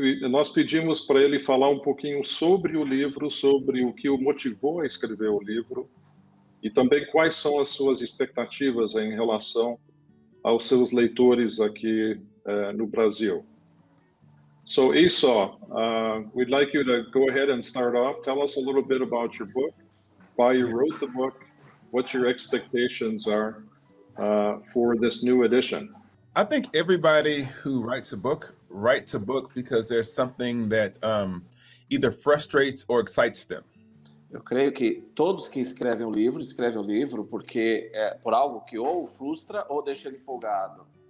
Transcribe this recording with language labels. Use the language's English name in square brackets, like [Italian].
[Portuguese] Nós pedimos para ele falar um pouquinho sobre o livro, sobre o que o motivou a escrever o livro e também quais são as suas expectativas em relação aos seus leitores aqui no Brasil. [English] So, Esau, we'd like you to go ahead and start off. Tell us a little bit about your book, why you wrote the book, what your expectations are for this new edition. I think everybody who writes a book because there's something that either frustrates or excites them. [Portuguese] Eu creio que todos que escrevem um livro porque é por algo que ou frustra ou deixa ele empolgado.